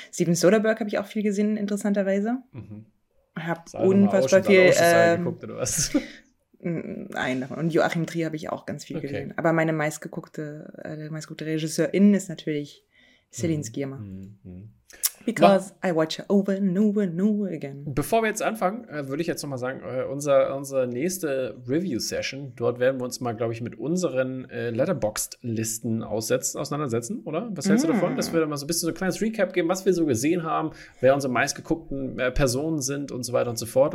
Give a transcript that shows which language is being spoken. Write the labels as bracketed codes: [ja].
[de] Steven Soderbergh habe ich auch viel gesehen, interessanterweise. Mhm. Hab unfassbar viel... geguckt oder was? Nein, und Joachim Trier habe ich auch ganz viel gesehen. Aber meine meistgeguckte, meistgeguckte Regisseurin ist natürlich Céline Sciamma. [en] Because I watch her over and over and over again. [de] Bevor wir jetzt anfangen, würde ich jetzt nochmal sagen, unsere nächste Review-Session, dort werden wir uns mal, glaube ich, mit unseren Letterboxd-Listen auseinandersetzen, oder? Was hältst du davon, dass wir da mal so ein bisschen so ein kleines Recap geben, was wir so gesehen haben, wer unsere meistgeguckten Personen sind und so weiter und so fort.